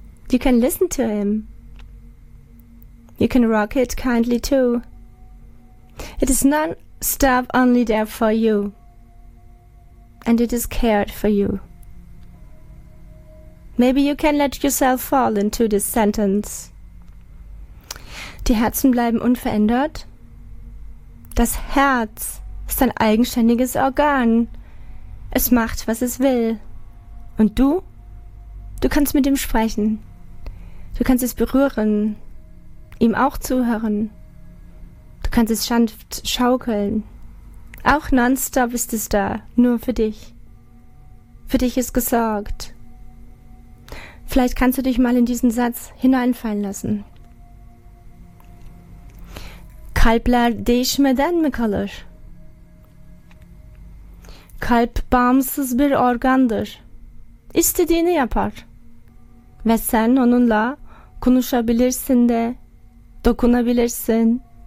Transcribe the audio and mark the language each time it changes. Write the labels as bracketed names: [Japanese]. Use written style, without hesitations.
[English] You can listen to him. You can rock it kindly too. It is non-stop only there for you. And it is cared for you. Maybe you can let yourself fall into this sentence. [German] Die Herzen bleiben unverändert. Das Herz ist ein eigenständiges Organ. Es macht, was es will. Und du? Du kannst mit ihm sprechen. Du kannst es berühren. Ihm auch zuhören. Du kannst es sanft schaukeln. Auch nonstop ist es da, nur für dich. Für dich ist gesorgt. Vielleicht kannst du dich mal in diesen Satz hineinfallen lassen. [Turkish] Kalpler değişmeden mi kalır? Kalp bağımsız bir organdır. İstediğini yapar. Ve sen onunla konuşabilirsin de, dokunabilirsin.